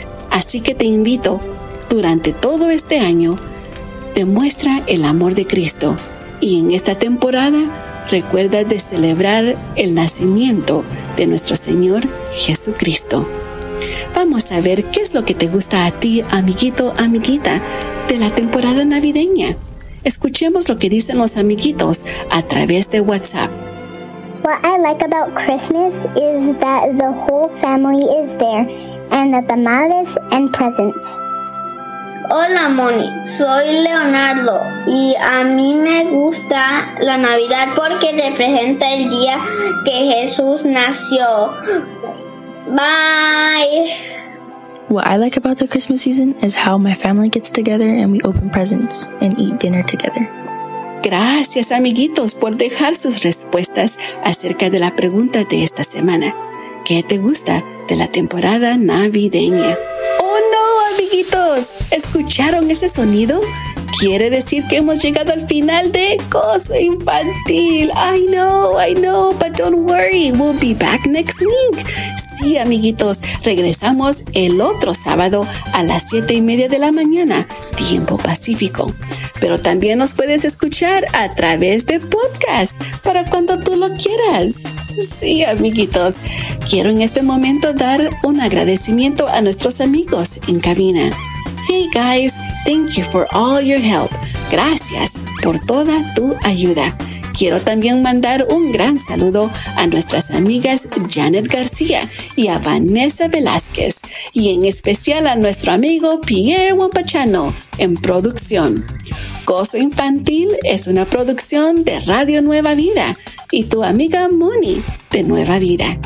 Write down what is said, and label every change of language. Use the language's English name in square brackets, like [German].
[Spanish] Así que te invito, durante todo este año, demuestra el amor de Cristo y en esta temporada recuerda de celebrar el nacimiento de nuestro Señor Jesucristo. Vamos a ver qué es lo que te gusta a ti, amiguito, amiguita, de la temporada navideña. Escuchemos lo que dicen los amiguitos a través de WhatsApp. [English] What I like about Christmas is that the whole family is there and the tamales and presents. [Spanish] Hola, Moni. Soy Leonardo y a mí me gusta la Navidad porque representa el día que Jesús nació. Bye. [English] What I like about the Christmas season is how my family gets together and we open presents and eat dinner together. [Spanish] Gracias, amiguitos, por dejar sus respuestas acerca de la pregunta de esta semana. ¿Qué te gusta de la temporada navideña? ¡Oh, no, amiguitos! ¿Escucharon ese sonido? Quiere decir que hemos llegado al final de Cosa Infantil. [English] I know, but don't worry, we'll be back next week. [Spanish] Sí, amiguitos, regresamos el otro sábado a las 7:30 de la mañana, tiempo pacífico. Pero también nos puedes escuchar a través de podcast para cuando tú lo quieras. Sí, amiguitos, quiero en este momento dar un agradecimiento a nuestros amigos en cabina. [English] Hey, guys, thank you for all your help. [Spanish] Gracias por toda tu ayuda. Quiero también mandar un gran saludo a nuestras amigas Janet García y a Vanessa Velázquez, y en especial a nuestro amigo Pierre Wampachano en producción. Gozo Infantil es una producción de Radio Nueva Vida y tu amiga Moni de Nueva Vida.